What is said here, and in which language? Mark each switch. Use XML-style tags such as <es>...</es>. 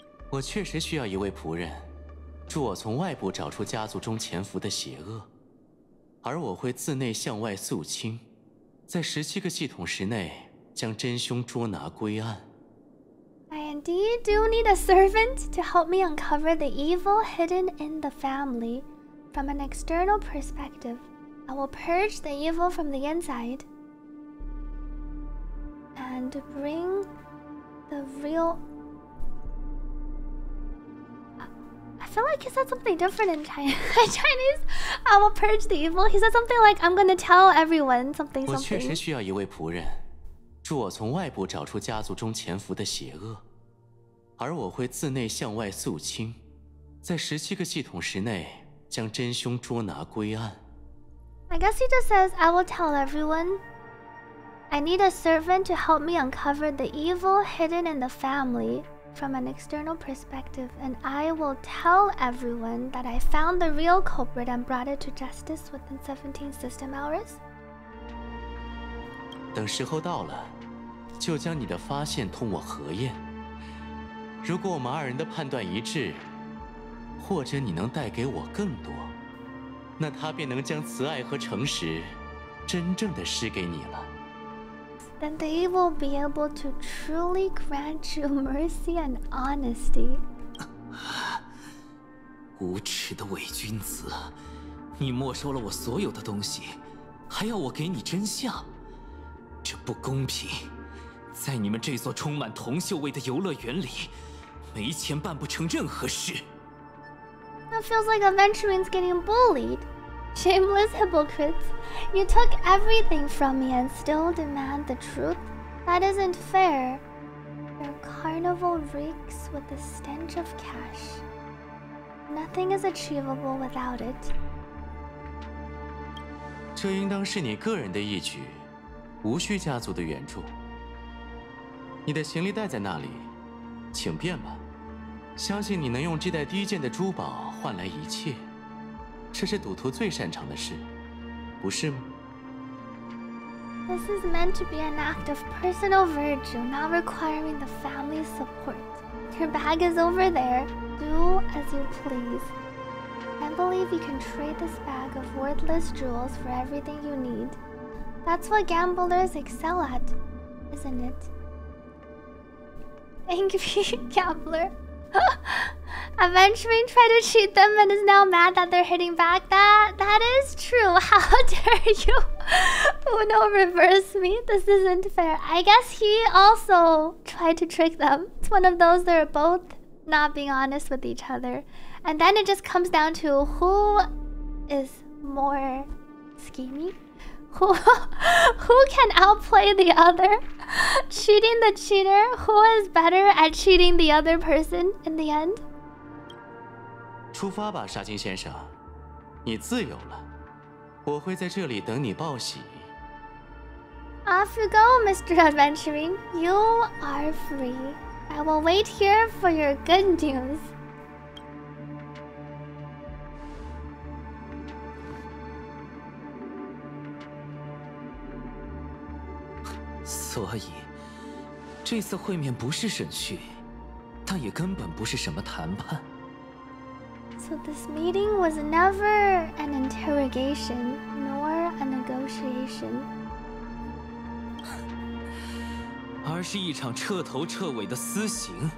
<zh>我确实需要一位仆人，助我从外部找出家族中潜伏的邪恶，而我会自内向外肃清，在十七个系统时内将真凶捉拿归案。</zh> <en>I indeed do need a servant to help me uncover the evil hidden in the family. From an external perspective, I will purge the evil from the inside and bring. The real... I feel like he said something different in Chinese. I will purge the evil. He said something like, I'm gonna tell everyone something, something.</en> <zh>我确实需要一位仆人，助我从外部找出家族中潜伏的邪恶，而我会自内向外肃清，在十七个系统时内将真凶捉拿归案。</zh> <en>I guess he just says, I will tell everyone. I need a servant to help me uncover the evil hidden in the family from an external perspective, and I will tell everyone that I found the real culprit and brought it to justice within 17 system hours.</en> <zh>等时候到了，就将你的发现同我核验。如果我们二人的判断一致，或者你能带给我更多，那他便能将慈爱和诚实真正的施给你了。</zh> <en>Then they will be able to truly grant you mercy and honesty.</en> <zh>无耻的伪君子，你没收了我所有的东西，还要我给你真相，这不公平。在你们这座充满铜锈味的游乐园里，没钱办不成任何事。</zh> <en>That feels like Aventurine's getting bullied. Shameless hypocrites, you took everything from me and still demand the truth? That isn't fair. Your carnival reeks with the stench of cash. Nothing is achievable without it.</en> <zh>这应当是你个人的义举，无需家族的援助。你的行李袋在那里，请便吧。相信你能用这袋低贱的珠宝换来一切。这是赌徒最擅长的事，不是吗？</zh> <en>This is meant to be an act of personal virtue, not requiring the family's support. Your bag is over there. Do as you please. I can't believe you can trade this bag of worthless jewels for everything you need. That's what gamblers excel at, isn't it? Angry gambler. Aventurine tried to cheat them and is now mad that they're hitting back. That is true. How dare you? Uno, reverse me. This isn't fair. I guess he also tried to trick them. It's one of those they're both not being honest with each other. And then it just comes down to who is more schemy? Who can outplay the other? Cheating the cheater? Who is better at cheating the other person in the end?</en> <zh>出发吧，沙金先生，你自由了，我会在这里等你报喜。</zh> <en>Off you go, Mr. Adventuring. You are free. I will wait here for your good news.</en> <zh>所以，这次会面不是审讯，但也根本不是什么谈判。</zh> <en>So this meeting was never an interrogation, nor a negotiation.</en> <zh>而是一场彻头彻尾的私刑。</zh>